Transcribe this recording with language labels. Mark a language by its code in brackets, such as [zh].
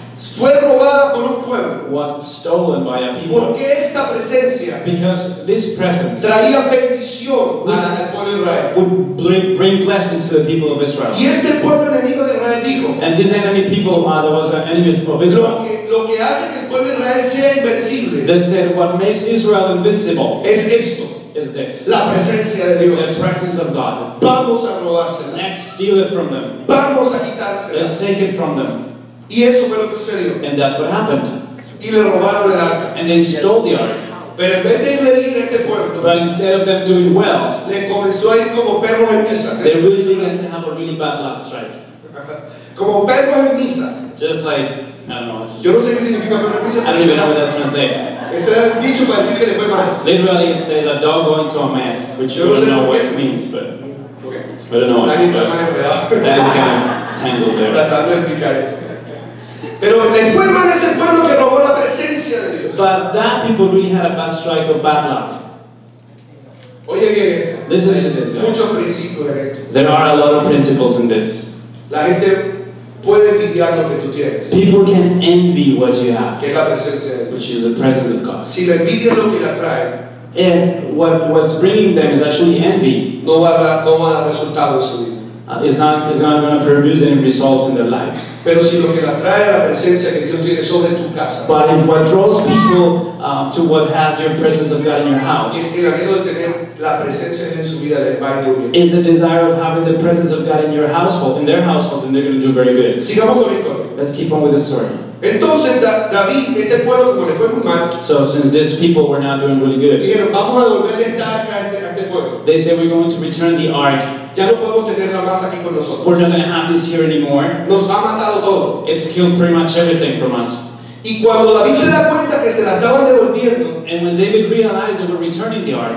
[es] fue robada por un pueblo. [en] Was stolen by a people. [es] Porque esta presencia, [en] because this presence, [es] traía bendición al pueblo de Israel. [en] Would bring blessings to the people of Israel. [es] Y este pueblo enemigo de Israel dijo. [en] And this enemy people, that was an enemy of Israel. [es] Lo que hace que el pueblo de Israel sea invencible. [en] They said what makes Israel invincible. [es] Es esto. [en] Is this. [es] La presencia de Dios. [en] The presence of God. [es] Vamos a robársela. [en] Let's steal it from them. [es] Vamos a quitársela. [en] Let's take it from them. [es] Y eso fue lo que sucedió. [en] And that's what happened. [es] Y le robaron el arca. [en] And they stole the ark. [es] Pero en vez de ir a este pueblo, [en] but instead of them doing well, [es] le comenzó a ir como perros en misa. [en] They really began to have a really bad luck strike. [es] Como perros en misa. [en] Just like, I don't know. [es] Yo no sé qué significa perro en misa. [en] I don't even know what that translates. [es] Ese era el dicho para decir que le fue mal. [en] Literally it says a dog going to a mess, which [es] yo [en] you [es] no [en] What it means, but okay. I don't know. That is kind of tangled there. [es] Tratando de explicar esto. Pero le fue mal ese pueblo que robó la presencia [en] But that people really had a bad strike of bad luck. [es] Oye, [en] listen to this, guys. There are a lot of principles in this. [es] La gente puede envidiar lo que tú tienes. [en] People can envy what you have, [es] que es la presencia de Dios. [en] Which is the presence of God. [es] Si la envidia es lo que la trae, [en] if what's bringing them is actually envy, [es] no va a dar resultados en vida. [en] It's not going to produce any results in their life. [es] Pero si lo que la trae la presencia que Dios tiene sobre tu casa. [en] But if what draws people to what has your presence of God in your house. [es] Es el anhelo de tener la presencia en su vida del Padre. [en] Is the desire of having the presence of God in your household, in their household, and they're going to do very good. [es] Sigamos con la historia. [en] Let's keep on with the story. [es] Entonces David, este pueblo como le fue muy mal. [en] So since these people were not doing really good. [es] Dijeron, vamos a devolverle esta arca a este pueblo. [en] They said we're going to return the ark. [es] Ya no podemos tenerla más aquí con nosotros. [en] We're not going to have this here anymore. [es] Nos ha matado todo. [en] It's killed pretty much everything from us. [es] Y cuando David se da cuenta que se la estaban devolviendo. [en] And when David realized they were returning the ark.